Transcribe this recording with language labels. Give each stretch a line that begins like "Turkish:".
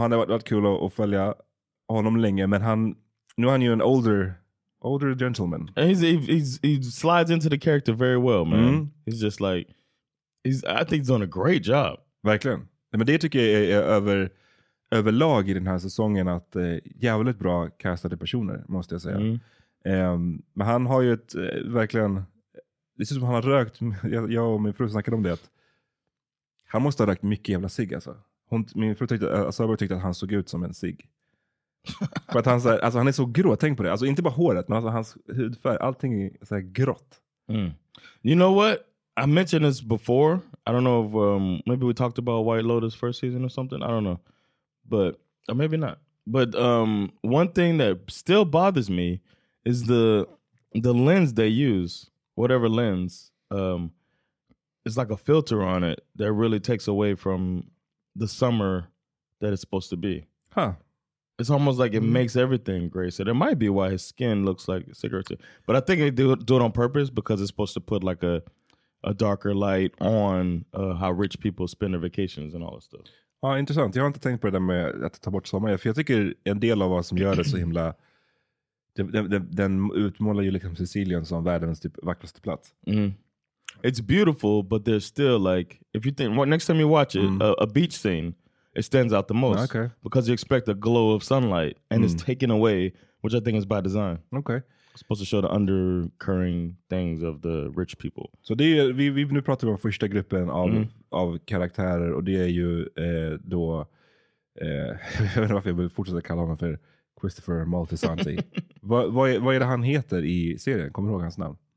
Swedish: Han har varit kul att följa honom länge, men nu är han ju en
English: older gentleman. And he slides into the character very well, man. Mm. He's just like, I think he's done a great job.
Swedish: Verkligen. Men det tycker jag är överlag i den här säsongen, att jävligt bra castade personer, måste jag säga. Men han har ju ett verkligen, det ser som han har rökt, jag och min fru snackade om det, att han måste ha rökt mycket jävla cig, alltså. Min fru tyckte att han såg ut som en cig. För att han, så här, alltså han är så grå, tänk på det. Alltså inte bara håret, men alltså hans hudfärg. Allting är så här grått.
English: You know what? I mentioned this before. I don't know if maybe we talked about White Lotus first season or something. I don't know. But, or maybe not. But one thing that still bothers me is the lens they use, whatever lens. it's like a filter on it that really takes away from the summer that it's supposed to be. Huh. It's almost like it makes everything gray. So that might be why his skin looks like a cigarette. But I think they do it on purpose because it's supposed to put like a darker light on how rich people spend their vacations and all that stuff.
Swedish: Ja, intressant. Jag har inte tänkt på det där med att ta bort sommar. För jag tycker en del av vad som gör det så himla... Den utmålar ju liksom Sicilien som världens typ vackraste plats. Mm.
English: It's beautiful, but there's still like... If you think... Next time you watch it, a beach scene, it stands out the most. Okay. Because you expect a glow of sunlight and it's taken away, which I think is by design. Okay. It's supposed to show the undercurring things of the rich people.
Swedish: Så det är, vi nu pratar om första gruppen av karaktärer, och det är ju då jag vet inte varför jag vill fortsätta kalla honom för Christopher Moltisanti. vad är det han heter i serien? Kommer du ihåg hans namn?